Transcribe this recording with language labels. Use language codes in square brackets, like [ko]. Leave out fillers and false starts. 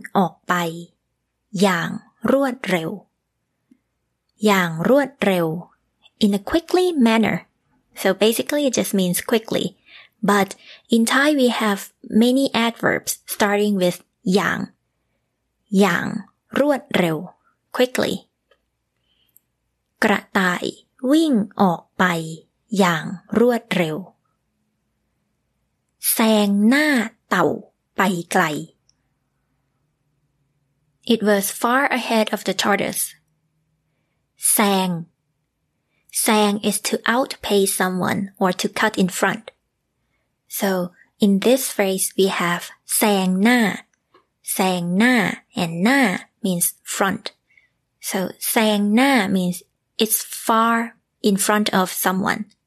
[th] กระต่ายวิ่งออกไปอย่างรวดเร็ว [en] อย่างรวดเร็ว in a quickly manner. So basically it just means quickly, But in Thai, we have many adverbs starting with yang. Yang, รวดเร็ว quickly. [th] กระต่ายวิ่งออกไปอย่างรวดเร็วแซงหน้าเต่าไปไกล [en] It was far ahead of the tortoise. แซง Sang is to outpace someone or to cut in front. So, in this phrase, we have sang na. Sang na and na means front. So, sang na means it's far in front of someone.